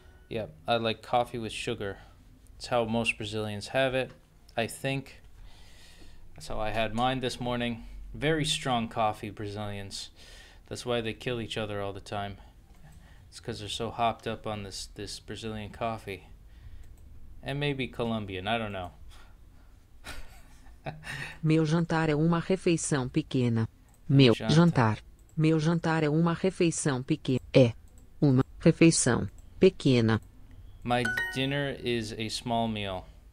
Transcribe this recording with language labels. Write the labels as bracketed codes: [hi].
[en] Yep, I like coffee with sugar. It's how most Brazilians have it, I think. That's how I had mine this morning. Very strong coffee, Brazilians. That's why they kill each other all the time. It's because they're so hopped up on this Brazilian coffee. And maybe Colombian, I don't know. [pt] Meu jantar é uma refeição pequena. Meu jantar. Meu jantar é uma refeição pequena. É uma refeição pequena. [en] My dinner is a small meal.